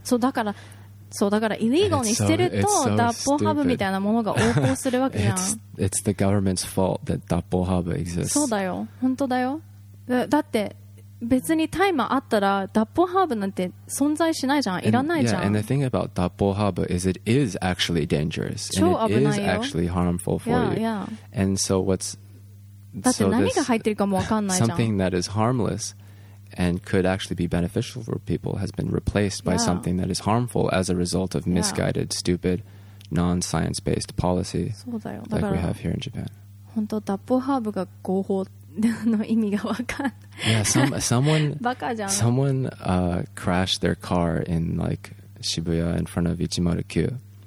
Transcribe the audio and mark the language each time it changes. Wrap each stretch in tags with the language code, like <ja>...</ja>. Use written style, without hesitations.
<ja>そうだからイリーガルにしてるとダッポハブみたいなものが横行するわけじゃん。</ja> <en>It's the government's fault that ダッポハブ exists。</en> <ja>そうだよ、本当だよ。だって。別にタイマーあったらダッポハーブなんて存在しないじゃん、いらないじゃん。</ja> <en>Yeah, and the thing about ダッポハーブ is it is actually dangerous.</en> <ja>超危ないよ。</ja> <en>And it is actually harmful for you. And so what's</en> <ja>だって何が入ってるかも分かんないじゃん。</ja> <en>Something that is harmless and could actually be beneficial for people has been replaced by something that is harmful as a result of misguided, stupid, non-science based policy like we have here in Japan.</en> <ja>本当、脱法ハーブが合法の意味が分かんない。</ja> <en>Yeah, someone</en> <ja>バカじゃん。</ja> <en>Someone crashed their car in like Shibuya in front of 109.</en>